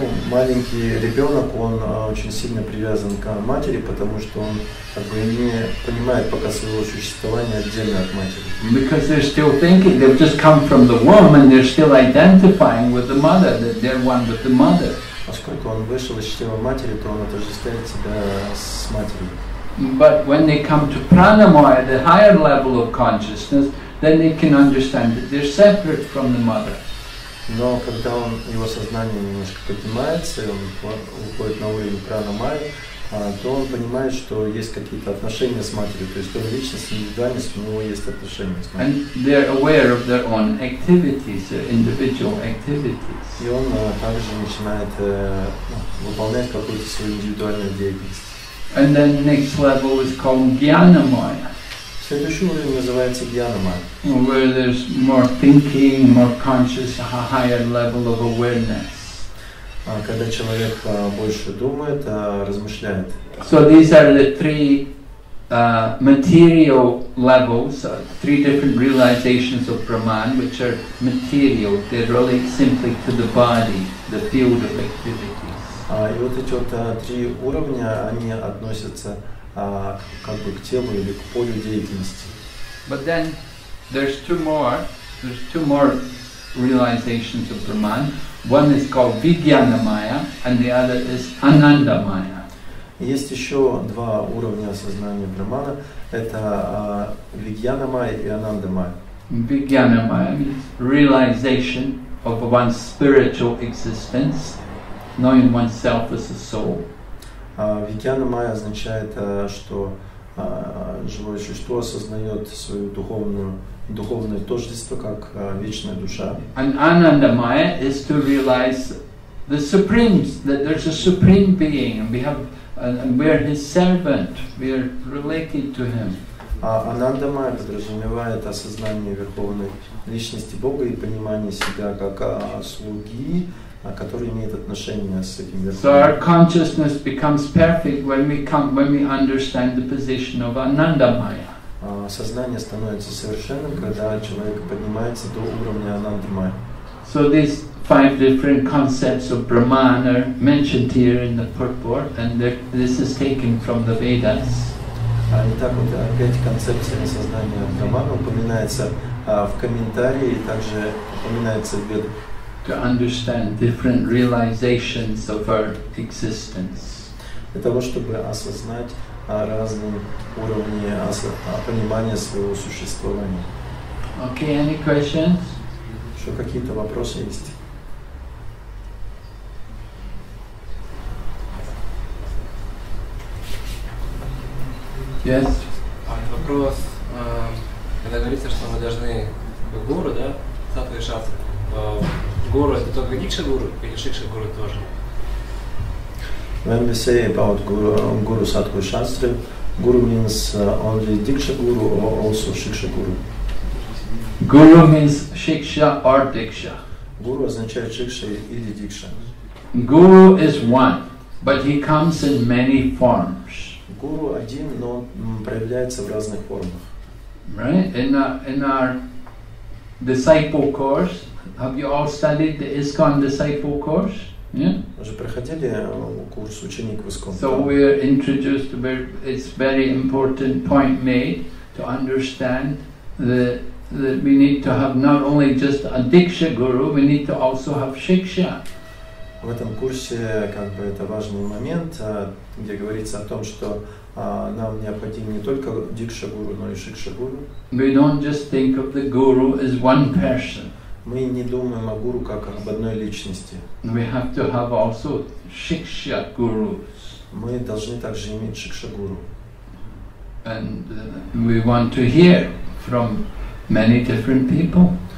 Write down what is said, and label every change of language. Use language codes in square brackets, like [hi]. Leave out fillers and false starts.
[ru] Маленький ребенок, он очень сильно привязан к матери, потому что он как бы не понимает пока своего существования отдельно от матери. [en] Because they're still thinking, they've just come from the womb, and they're still identifying with the mother, that they're one with the mother. [ru] Поскольку он вышел из чрева матери, то он отождествляет себя с матерью. [en] But when they come to pranamaya, the higher level of consciousness, then they can understand that they're separate from the mother. [ru] Но когда он, его сознание немножко поднимается, он уходит на уровень пранамаи, то он понимает, что есть какие-то отношения с матерью. То есть, то личность, индивидуальность, у него есть отношения с матерью. [en] And they're aware of their own activities, their individual activities. [ru] И он также начинает выполнять какую-то свою индивидуальную деятельность. [en] And then next level is called Gyanamaya. [ru] Следующий уровень называется Gyanamaya. [en] Where there's more thinking, more conscious, a higher level of awareness. [ru] Когда человек больше думает, размышляет. [en] So these are the three material levels, three different realizations of Brahman, which are material. They relate simply to the body, the field of activity. [ru] И вот эти вот три уровня, они относятся как бы к телу или к полю деятельности. [en] But then there's two more realizations of Brahman. One is called Vijnanamaya, and the other is Anandamaya. [ru] Есть еще два уровня сознания Брахмана. Это Vijnanamaya и Anandamaya. [en] Vijnanamaya means realization of one's spiritual existence. Knowing oneself as a soul. [ru] Vijnanamaya означает, что живое существо осознает свою духовное тождество как вечная душа. [en] And Anandamaya is to realize the supreme, that there's a supreme being, and we're his servant, we're related to him. [ru] Анандамая подразумевает осознание верховной личности Бога и понимание себя как слуги. Который имеет отношение с этим верхом. [en] So our consciousness becomes perfect when we understand the position of Anandamaya. [ru] Сознание становится совершенным, когда человек поднимается до уровня Анандамаи. [en] So these five different concepts of Brahman are mentioned here in the purport, and this is taken from the Vedas. [ru] Итак, вот пять концепций сознания Брахмана упоминается в комментарии, и также упоминается в Ведах. [en] To understand different realizations of our existence. [ru] Для того, чтобы осознать разные уровни понимания своего существования. [en] Okay, any questions? [ru] Еще какие-то вопросы есть? [en] Yes. [ru] Вопрос. Когда говорится, что мы должны быть гуру, да, саттва и шастра, гуру это только дикша гуру или шикша гуру тоже? [en] When we say about guru sattva и шастра, guru means only дикша гуру or also шикша гуру? Guru means shiksha or diksha. [ru] Guru означает шикша или дикша. [en] Guru is one, but he comes in many forms. [ru] Guru один, но проявляется в разных формах. [en] Right? In our disciple course, have you all studied the ISKCON disciple course? Yeah. [ru] Уже проходили курс ученик в ISKCON. [en] So we are introduced. It's very important point made to understand that we need to have not only just a diksha guru, we need to also have shiksha. [ru] В этом курсе как бы это важный момент, где говорится о том, что нам необходим не только дикша гуру, но и шикша гуру. [en] We don't just think of the guru as one person. [ru] Мы не думаем о гуру как об одной личности. [en] We have to have also shiksha gurus. [ru] Мы должны также иметь шикша гуру. [en] And we want to hear from many different people.